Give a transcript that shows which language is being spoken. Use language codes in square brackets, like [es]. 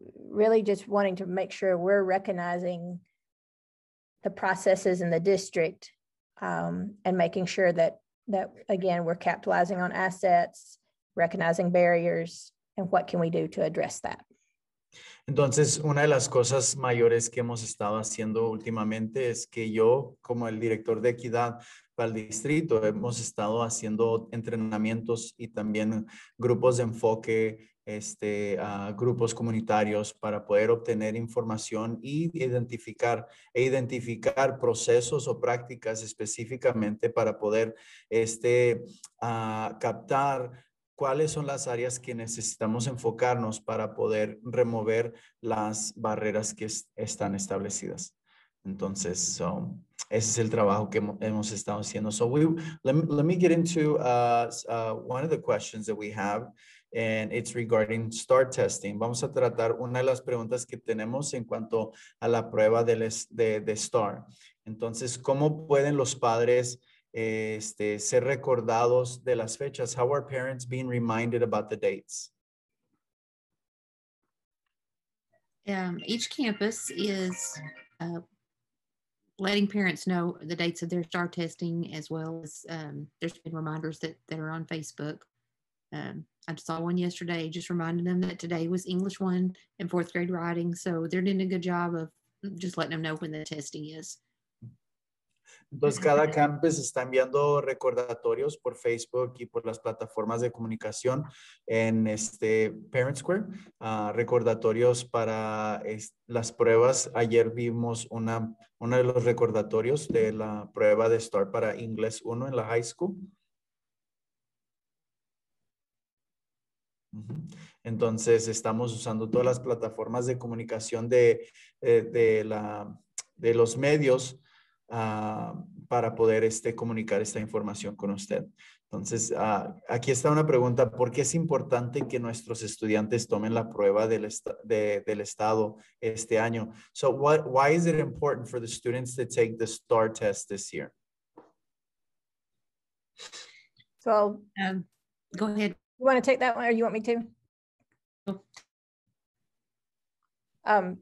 [en] Really just wanting to make sure we're recognizing the processes in the district and making sure that again, we're capitalizing on assets, recognizing barriers, and what can we do to address that? [es] Entonces, una de las cosas mayores que hemos estado haciendo últimamente es que yo, como el director de equidad para el distrito, hemos estado haciendo entrenamientos y también grupos de enfoque, grupos comunitarios para poder obtener información y identificar procesos o prácticas específicamente para poder captar cuáles son las áreas que necesitamos enfocarnos para poder remover las barreras que están establecidas. Entonces, ese es el trabajo que hemos estado haciendo. [en] So let me get into one of the questions that we have and it's regarding star testing. [es] Vamos a tratar una de las preguntas que tenemos en cuanto a la prueba de star. Entonces, ¿cómo pueden los padres ser recordados de las fechas? [en] How are parents being reminded about the dates? Each campus is letting parents know the dates of their star testing, as well as there's been reminders that are on Facebook. I saw one yesterday just reminding them that today was English 1 and fourth grade writing. So they're doing a good job of just letting them know when the testing is. [es] Entonces, cada campus está enviando recordatorios por Facebook y por las plataformas de comunicación en Parent Square, recordatorios para las pruebas. Ayer vimos uno de los recordatorios de la prueba de STAR para Inglés 1 en la high school. Entonces, estamos usando todas las plataformas de comunicación de los medios para poder comunicar esta información con usted. Entonces, aquí está una pregunta. ¿Por qué es importante que nuestros estudiantes tomen la prueba del estado este año? [en] So, why is it important for the students to take the STAR test this year? So, go ahead. You want to take that one or you want me to?